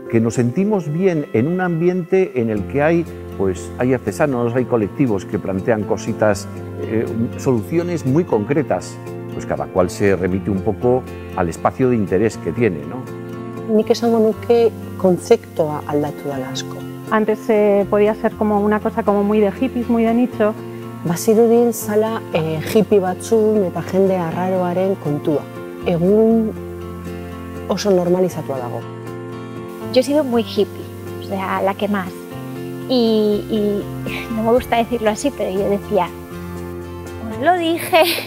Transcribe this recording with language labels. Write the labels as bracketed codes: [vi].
[es] Que nos sentimos bien en un ambiente en el que hay pues hay artesanos, hay colectivos que plantean cositas, soluciones muy concretas, pues cada cual se remite un poco al espacio de interés que tiene, ¿no? [eu] Nik esango nuke kontzeptua aldatu dela asko. [es] Antes podía ser como una cosa como muy de hippies, muy de nicho. [eu] Bazirudien zala hippie batzun eta jende arraroaren kontua. Egun oso normalizatua dago. [es] Yo he sido muy hippie, o sea, la que más. Y no me gusta decirlo así, pero yo decía, os lo dije.